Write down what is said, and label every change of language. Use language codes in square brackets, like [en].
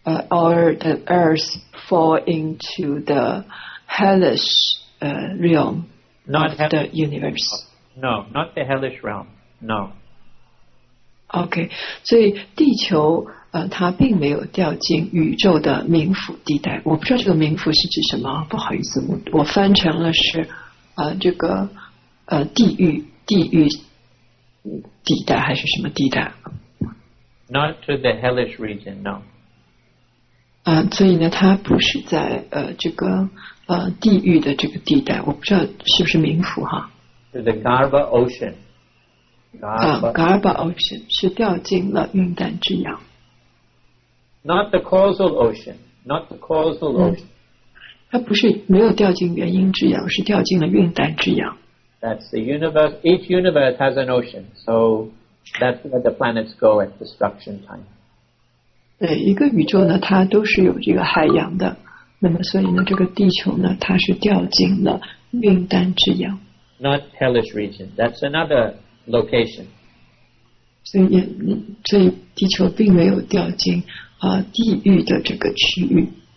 [en] Or the Earth fall into the hellish realm not of the universe? No, not the hellish realm, no. [zh] OK, 所以地球它并没有掉进宇宙的冥府地带。我不知道这个冥府是指什么，不好意思，我翻成了是这个地狱地带还是什么地带。 [en] Not to the hellish region, no. [zh] 所以呢它不是在这个地狱的这个地带，我不知道是不是冥府哈。 [en] To the Garbha Ocean. [zh] Garbha Ocean 是掉进了运旦之洋。 [en] Not the causal ocean, not the causal ocean. [zh] 它不是没有掉进原因之洋，是掉进了运旦之洋。 [en] That's the universe. Each universe has an ocean, so that's where the planets go at destruction time. [zh] 对，一个宇宙呢，它都是有这个海洋的。那么，所以呢，这个地球呢，它是掉进了命丹之洋。 [en] Not hellish region. That's another location. [zh] 所以，地球并没有掉进地狱的这个区域。